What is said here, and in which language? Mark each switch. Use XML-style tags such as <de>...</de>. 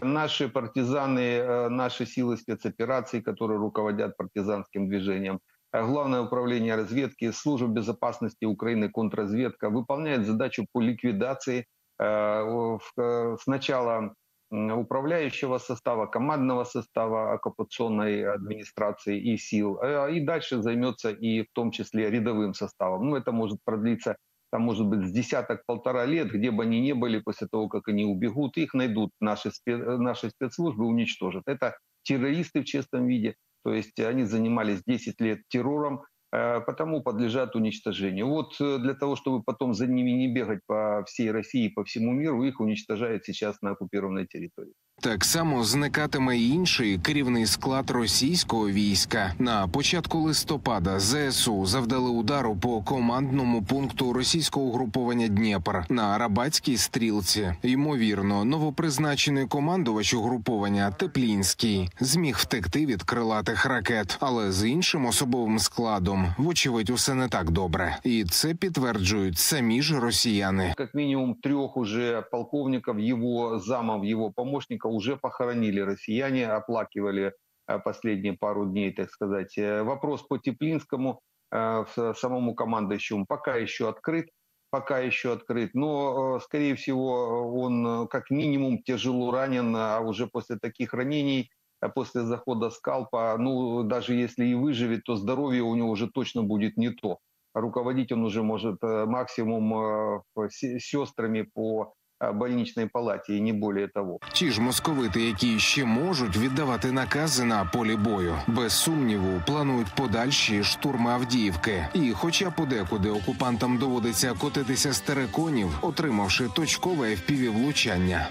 <uk>Наші партизани, наші сили спецоперації, які руководять партизанським движенням, Главное управління розвідки, Служба безпеки України, контрозвідка, виконують задачу по ліквідації спочатку</uk> <ru>управляющего состава, командного состава оккупационной администрации и сил. И дальше займется и в том числе рядовым составом. Ну, это может продлиться, там может быть, с десяток-полтора лет, где бы они ни были, после того, как они убегут, их найдут наши спецслужбы, уничтожат. Это террористы в чистом виде, то есть они занимались 10 лет террором, потому подлежат уничтожению. Вот для того, чтобы потом за ними не бегать по всей России, по всему миру, их уничтожают сейчас на оккупированной территории.</ru> <uk>Так само зникатиме й інший керівний склад російського війська. На початку листопада ЗСУ завдали удару по командному пункту російського угруповання «Дніпр» на Арабатській стрілці. Ймовірно, новопризначений командувач угруповання Теплінський зміг втекти від крилатих ракет. Але з іншим особовим складом, вочевидь, усе не так добре. І це підтверджують самі ж росіяни. Як мінімум трьох уже полковників, його замів, його помічників, уже похоронили</uk> <ru>россияне, оплакивали последние пару дней, так сказать. Вопрос по Теплинскому, самому командующему, пока еще открыт, но, скорее всего, он как минимум тяжело ранен, а уже после таких ранений, после захода скальпа, ну, даже если и выживет, то здоровье у него уже точно будет не то. Руководить он уже может максимум сестрами по</ru> <uk>больничної палаті, і не більше того. Ті ж московити, які ще можуть віддавати накази на полі бою. Без сумніву, планують подальші штурми Авдіївки. І хоча подекуди окупантам доводиться котитися з териконів, отримавши точкове FPV-влучання.</uk>